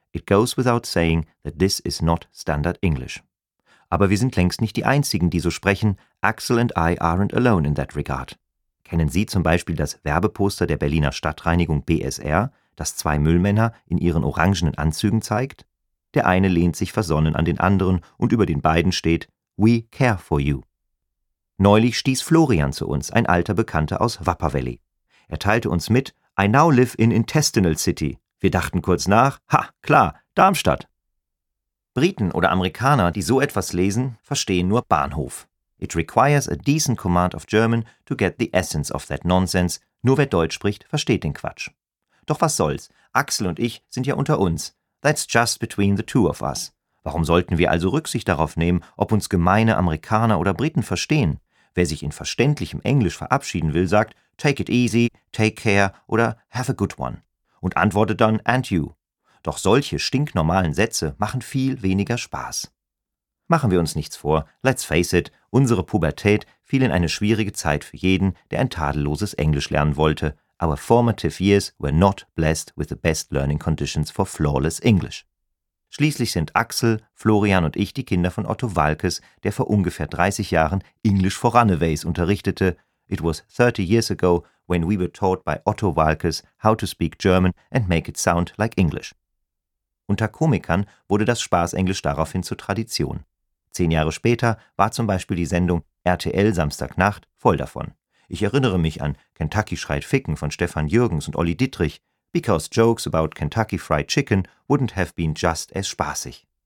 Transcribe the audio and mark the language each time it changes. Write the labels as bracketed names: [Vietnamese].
[English] It goes without saying that this is not standard English. [German] Aber wir sind längst nicht die Einzigen, die so sprechen. [English] Axel and I aren't alone in that regard. [German] Kennen Sie zum Beispiel das Werbeposter der Berliner Stadtreinigung BSR, das zwei Müllmänner in ihren orangenen Anzügen zeigt? Der eine lehnt sich versonnen an den anderen und über den beiden steht, [English] We care for you. [German] Neulich stieß Florian zu uns, ein alter Bekannter aus Wupper Valley. Er teilte uns mit, [English] I now live in Intestinal City. [German] Wir dachten kurz nach, ha, klar, Darmstadt. Briten oder Amerikaner, die so etwas lesen, verstehen nur Bahnhof. [English] It requires a decent command of German to get the essence of that nonsense. [German] Nur wer Deutsch spricht, versteht den Quatsch. Doch was soll's, Axel und ich sind ja unter uns. [English] That's just between the two of us. [German] Warum sollten wir also Rücksicht darauf nehmen, ob uns gemeine Amerikaner oder Briten verstehen? Wer sich in verständlichem Englisch verabschieden will, sagt, [English] take it easy, take care [German] oder [English] have a good one. [German] Und antwortet dann, [English] and you. [German] Doch solche stinknormalen Sätze machen viel weniger Spaß. Machen wir uns nichts vor, [English] let's face it, [German] unsere Pubertät fiel in eine schwierige Zeit für jeden, der ein tadelloses Englisch lernen wollte. [English] Our formative years were not blessed with the best learning conditions for flawless English. [German] Schließlich sind Axel, Florian und ich die Kinder von Otto Walkes, der vor ungefähr 30 Jahren Englisch for Runaways unterrichtete. [English] It was 30 years ago when we were taught by Otto Walkes how to speak German and make it sound like English. [German] Unter Komikern wurde das Spaßenglisch daraufhin zur Tradition. 10 Jahre später war zum Beispiel die Sendung RTL Samstagnacht voll davon. Ich erinnere mich an Kentucky schreit Ficken von Stefan Jürgens und Olli Dittrich, [English] because jokes about Kentucky Fried Chicken wouldn't have been just as [German] spaßig.